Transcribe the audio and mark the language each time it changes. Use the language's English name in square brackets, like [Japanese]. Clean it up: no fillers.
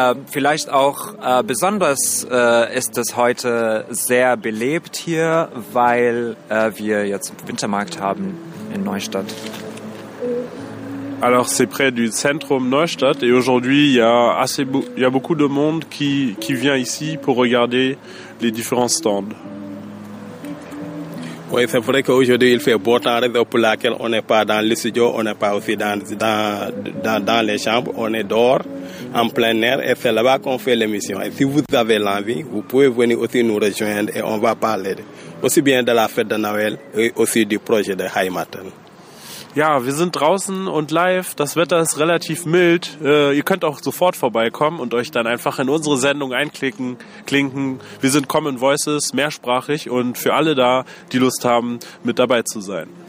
[German] Vielleicht auch besonders ist es heute sehr belebt hier, weil wir jetzt Wintermarkt haben in Neustadt. [French] Alors c'est près du Zentrum Neustadt et aujourd'hui il y a beaucoup de monde qui vient ici pour regarder les différents stands. Oui, c'est vrai qu'aujourd'hui il fait beau temps, raison pour laquelle on n'est pas dans le studio, on n'est pas aussi dans les chambres, on est dehors, en plein air, et c'est là-bas qu'on fait l'émission. Et si vous avez l'envie, vous pouvez venir aussi nous rejoindre et on va parler aussi bien de la fête de Noël et aussi du projet de Heimaten. [German] Ja, wir sind draußen und live. Das Wetter ist relativ mild. Ihr könnt auch sofort vorbeikommen und euch dann einfach in unsere Sendung einklicken, klinken. Wir sind Common Voices, mehrsprachig und für alle da, die Lust haben, mit dabei zu sein.